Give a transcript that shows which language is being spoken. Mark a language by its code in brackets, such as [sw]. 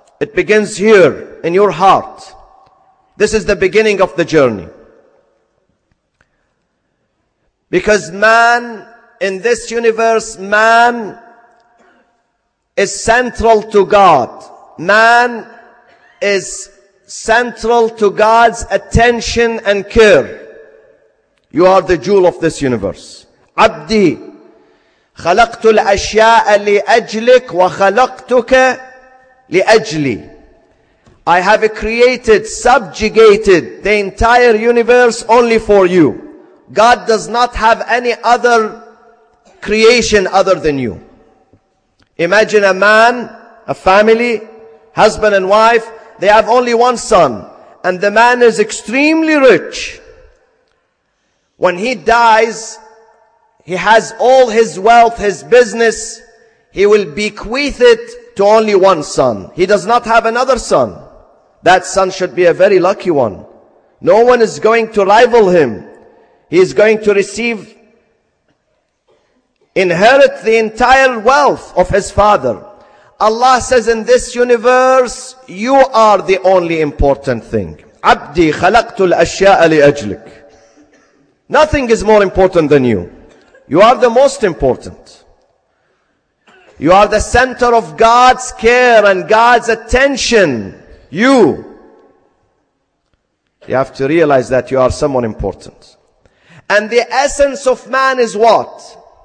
[en] It begins here, in your heart. This is the beginning of the journey. Because man in this universe, man is central to God. Man is central to God's attention and care. You are the jewel of this universe. [ar] عبدي خلقت الأشياء لأجلك وخلقتك لأجلي. [en] I have created, subjugated the entire universe only for you. God does not have any other creation other than you. Imagine a man, a family, husband and wife, they have only one son. And the man is extremely rich. When he dies, he has all his wealth, his business, he will bequeath it to only one son. He does not have another son. That son should be a very lucky one. No one is going to rival him. He is going to receive, inherit the entire wealth of his father. Allah says in this universe, you are the only important thing. [ar] عبدي خلقت الأشياء لأجلك. [en] Nothing is more important than you. You are the most important. You are the center of God's care and God's attention. You have to realize that you are someone important. And the essence of man is what?